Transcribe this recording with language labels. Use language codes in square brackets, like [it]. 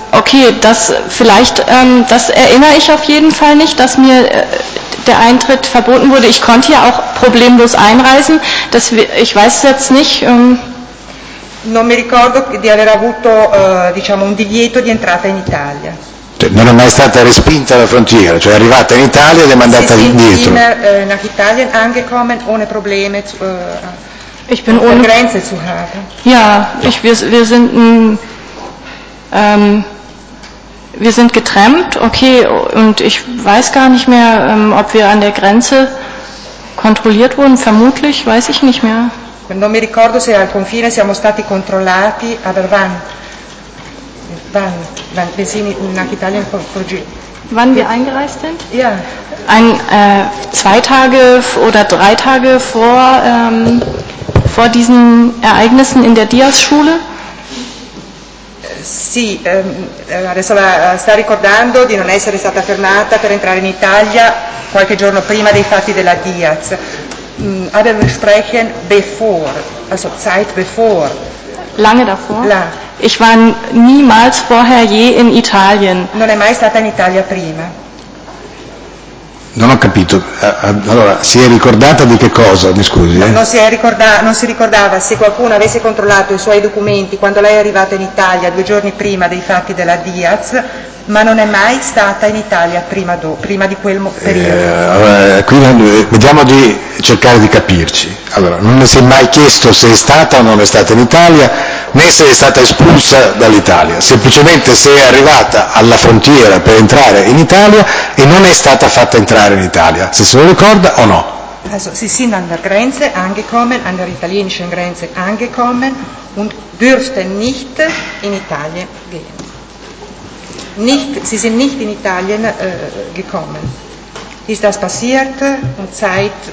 [de] Okay, das vielleicht, das erinnere ich auf jeden Fall nicht, dass mir der Eintritt verboten wurde. Ich konnte ja auch problemlos einreisen. Das, ich weiß es jetzt nicht. [it] Non mi ricordo di aver avuto, diciamo, un divieto di entrata in Italia. Non è mai stata respinta alla frontiera, cioè è arrivata in Italia ed è mandata indietro. [de] Nach Italien angekommen ohne Probleme zu, ich bin ohne Grenze zu haben. Ja, ich, wir sind wir sind getrennt, okay, und ich weiß gar nicht mehr, ob wir an der Grenze kontrolliert wurden, vermutlich, weiß ich nicht mehr. [it] Non mi ricordo se al confine siamo stati controllati, [de] aber wann? Wann wir sind nach Italien vorgegangen. Wann wir eingereist sind? Ja. Ein, zwei Tage oder drei Tage vor, vor diesen Ereignissen in der Diaz-Schule? [it] Sì, adesso la sta ricordando di non essere stata fermata per entrare in Italia qualche giorno prima dei fatti della Diaz. [de] Aber wir sprechen before, also Zeit before. Lange davor? La. Ich war niemals vorher je in Italien. [it] Non è mai stata in Italia prima. Non ho capito. Allora, si è ricordata di che cosa? Mi scusi. Non si è ricordata, non si ricordava se qualcuno avesse controllato i suoi documenti quando lei è arrivata in Italia due giorni prima dei fatti della Diaz, ma non è mai stata in Italia prima, prima di quel periodo. Quindi vediamo di cercare di capirci. Allora, non si è mai chiesto se è stata o non è stata in Italia, né se è stata espulsa dall'Italia, semplicemente se è arrivata alla frontiera per entrare in Italia e non è stata fatta entrare in Italia, se se lo ricorda o no? [de] Also, sie sind an der Grenze angekommen, an der italienischen Grenze angekommen und dürften nicht in Italien gehen. Nicht, sie sind nicht in Italien gekommen. Ist das passiert? Und Zeit?